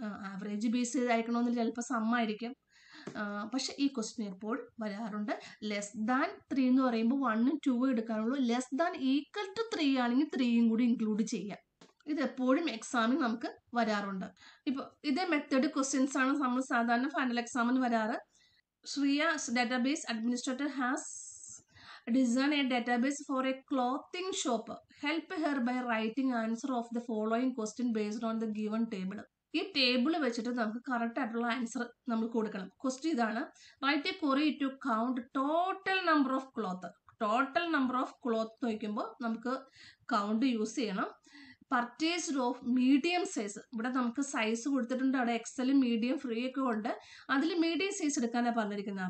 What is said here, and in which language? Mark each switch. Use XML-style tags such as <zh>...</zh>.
<ml>Average base ചെയ്തായിരിക്കണമെന്ന് ചിലപ്പോൾ സമ്മായിരിക്കും, പക്ഷെ ഈ ക്വസ്റ്റ്യൻ എപ്പോഴും വരാറുണ്ട്. ലെസ് ദാൻ 3 എന്ന് പറയുമ്പോൾ 1 ഉം 2 ഉം എടുക്കാനുള്ളൂ. ലെസ് ദാൻ ഈക്വൽ ടു 3 ആണെങ്കിൽ 3 കൂടി ഇൻക്ലൂഡ് ചെയ്യാം. ഇത് എപ്പോഴും എക്സാമിന് നമുക്ക് വരാറുണ്ട്. ഇപ്പോൾ ഇതേ മെത്തേഡ് ക്വസ്റ്റ്യൻസ് ആണ് നമ്മൾ സാധാരണ ഫൈനൽ എക്സാമിന് വരാറ്.</ml> <en>Shriya, database administrator, has design a database for a clothing shop. Help her by writing answer of the following question based on the given table.</en> <ml>ഈ ടേബിള് വെച്ചിട്ട് നമുക്ക് കറക്റ്റ് ആയിട്ടുള്ള ആൻസർ നമ്മൾ കൊടുക്കണം. ക്വസ്റ്റ്യൻ ഇതാണ്,</ml> <en>Write a query to count total number of cloth.</en> <ml>Total number of cloth നോക്കുമ്പോൾ നമുക്ക് count use ചെയ്യണം. പർച്ചേസ്ഡ് ഓഫ് മീഡിയം സൈസ്, ഇവിടെ നമുക്ക് സൈസ് കൊടുത്തിട്ടുണ്ട്, അവിടെ എക്സലും മീഡിയം ഫ്രീ ഒക്കെ ഉണ്ട്, അതിൽ മീഡിയം സൈസ് എടുക്കാനാണ് പറഞ്ഞിരിക്കുന്നത്.</ml>